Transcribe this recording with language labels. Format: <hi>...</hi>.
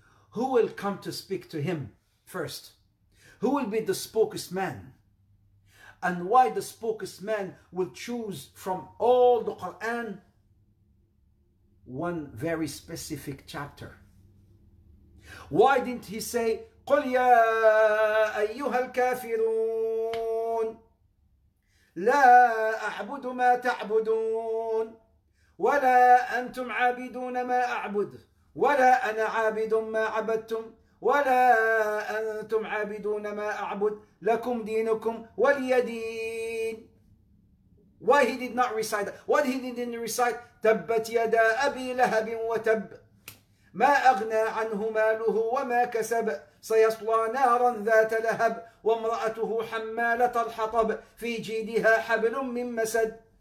<en>Who will come to speak to him first? Who will be the spokesman? And why the spokesman will choose from all the Quran one very specific chapter? Why didn't he say,</en> <ar>قُلْ يَا أَيُّهَا الْكَافِرُونَ لَا أَعْبُدُ مَا تَعْبُدُونَ وَلَا أَنْتُمْ عَابِدُونَ مَا أَعْبُدُ وَلَا أَنَا عَابِدٌ مَا عَبَدْتُمْ ولا أنتم عابدون ما أعبد لكم دينكم ولي دين.</ar> <en>Why he did not recite that? What he didn't recite?</en> <ar>تَبَّتْ يَدَا أَبِي لَهَبٍ وَتَبَّ مَا أَغْنَى عَنْهُ مَالُهُ وَمَا كَسَبَ سَيَصْلَى نَارًا ذَاتَ لَهَبٍ وَامْرَأَتُهُ حَمَّالَةَ الْحَطَبِ فِي جِيدِهَا حَبْلٌ مِّن مَّسَدٍ.</ar>